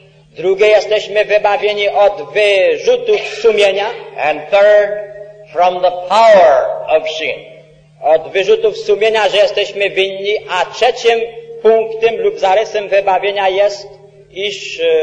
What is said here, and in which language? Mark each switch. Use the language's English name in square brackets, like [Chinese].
[Polish] Drugie, jesteśmy wybawieni od wyrzutów sumienia. [English] And third, from the power of sin. [Polish] Od wyrzutów sumienia, że jesteśmy winni. A trzecim punktem lub zarysem wybawienia jest, iż